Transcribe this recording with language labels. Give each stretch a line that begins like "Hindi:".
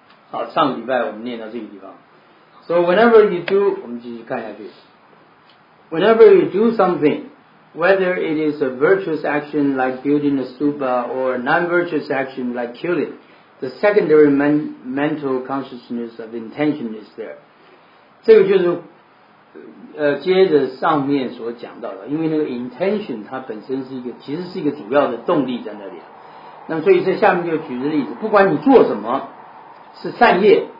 Chinese: 好，上礼拜我们念到这个地方。
English: So whenever you do,
Chinese: 我们继续看下去。
English: Whenever you do something, whether it is a virtuous action like building a stupa or a non-virtuous action like killing, the secondary mental consciousness of intention is there.
Chinese: 这个就是接着上面所讲到的，因为那个 intention 它本身是一个，其实是一个主要的动力在那里。那么所以在下面就举个例子，不管你做什么是善业。